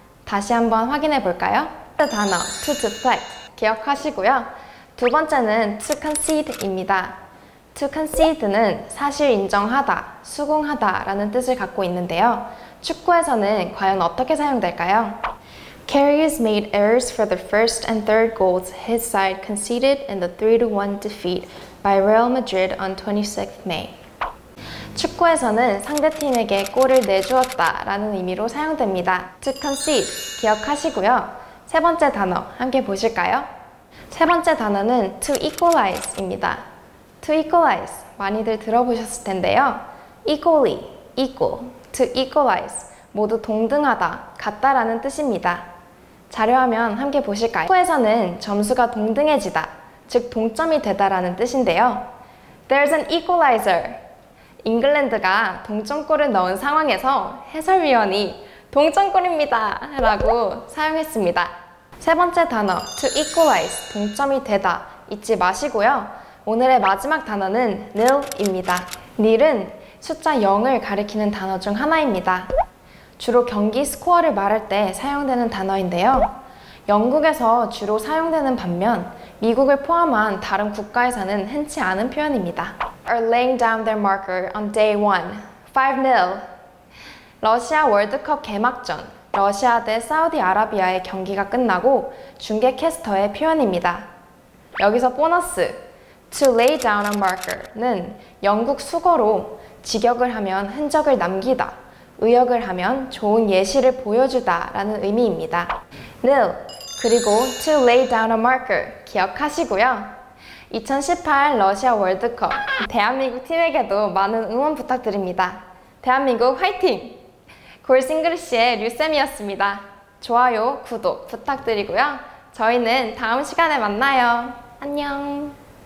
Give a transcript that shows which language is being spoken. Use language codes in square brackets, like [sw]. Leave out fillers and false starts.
[ko] 다시 한번 확인해 볼까요? 첫 단어 to deflect 기억하시고요. 두 번째는 to concede 입니다. To concede는 사실 인정하다, 수긍하다 라는 뜻을 갖고 있는데요. 축구에서는 과연 어떻게 사용될까요? [en] Karius made errors for the first and third goals his side conceded in the 3-1 defeat by Real Madrid on 26th May. [ko] 축구에서는 상대팀에게 골을 내주었다 라는 의미로 사용됩니다. To concede 기억하시고요. 세 번째 단어 함께 보실까요? 세 번째 단어는 to equalize입니다. To equalize, 많이들 들어보셨을 텐데요. Equally, equal, to equalize, 모두 동등하다, 같다 라는 뜻입니다. 자료화면 함께 보실까요? 축구에서는 점수가 동등해지다, 즉 동점이 되다 라는 뜻인데요. [en] There's an equalizer. [ko] 잉글랜드가 동점골을 넣은 상황에서 해설위원이 동점골입니다 라고 사용했습니다. 세 번째 단어, to equalize, 동점이 되다, 잊지 마시고요. 오늘의 마지막 단어는 nil입니다. nil은 숫자 0을 가리키는 단어 중 하나입니다. 주로 경기 스코어를 말할 때 사용되는 단어인데요. 영국에서 주로 사용되는 반면 미국을 포함한 다른 국가에서는 흔치 않은 표현입니다. [en] Are laying down their marker on day one. 5-0. [ko] 러시아 월드컵 개막전, 러시아 대 사우디아라비아의 경기가 끝나고 중계 캐스터의 표현입니다. 여기서 보너스! To lay down a marker는 영국 수거로 직역을 하면 흔적을 남기다, 의역을 하면 좋은 예시를 보여주다 라는 의미입니다. nil 그리고 to lay down a marker 기억하시고요. 2018 러시아 월드컵 대한민국 팀에게도 많은 응원 부탁드립니다. 대한민국 화이팅! 골스 잉글리시의 류쌤이었습니다. 좋아요, 구독 부탁드리고요. 저희는 다음 시간에 만나요. 안녕!